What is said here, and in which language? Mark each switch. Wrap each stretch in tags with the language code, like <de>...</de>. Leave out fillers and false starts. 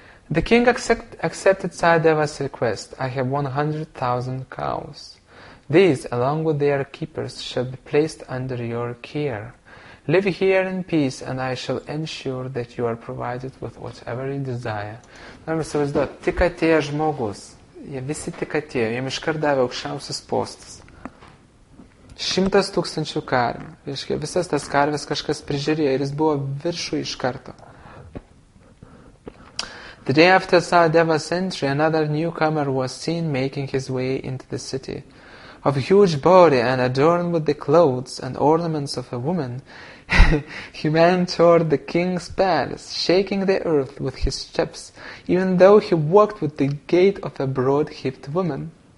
<en>The king accepted Sahadeva's request. I have 100,000 cows. These, along with their keepers, shall be placed under your care. Live here in peace, and I shall ensure that you are provided with whatever you desire.</en> <lt>Norim įsivaizduoti, tik atėjo žmogus. Jie visi tik atėjo. Jiem iškart davė aukščiausias postas. 100,000 karvių. Visas tas karvės kažkas prižiūrėjo ir jis buvo viršų iš karto.</lt> <en>The day after Sahadeva's entry, another newcomer was seen making his way into the city. Of huge body and adorned with the clothes and ornaments of a woman, he ran toward the king's palace, shaking the earth with his steps, even though he walked with the gait of a broad-hipped woman.</en>